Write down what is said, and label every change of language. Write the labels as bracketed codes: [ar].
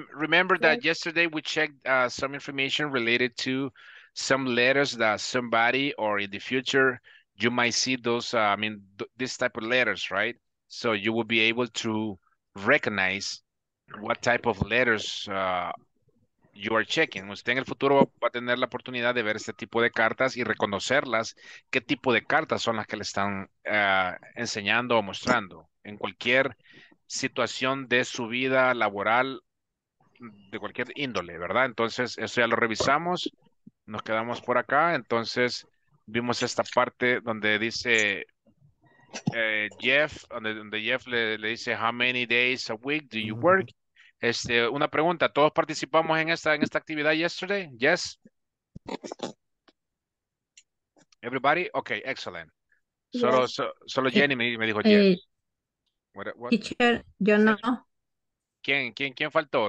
[en] Remember that yesterday we checked some information related to some letters that somebody or in the future you might see those, this type of letters, right? So you will be able to recognize what type of letters you are checking. [es] Usted en el futuro va a tener la oportunidad de ver este tipo de cartas y reconocerlas, qué tipo de cartas son las que le están enseñando o mostrando. En cualquier situación de su vida laboral, de cualquier índole, ¿verdad? Entonces, eso ya lo revisamos, nos quedamos por acá, entonces vimos esta parte donde dice... [en] Jeff, [es] donde Jeff le dice [en] how many days a week do you work? [es] Una pregunta, ¿todos participamos en esta actividad yesterday? [en] Yes. Everybody? Okay, excellent. Solo yes. [es] solo Jenny me dijo [en] Jeff. What? [es] Teacher, yo no. ¿Quién faltó?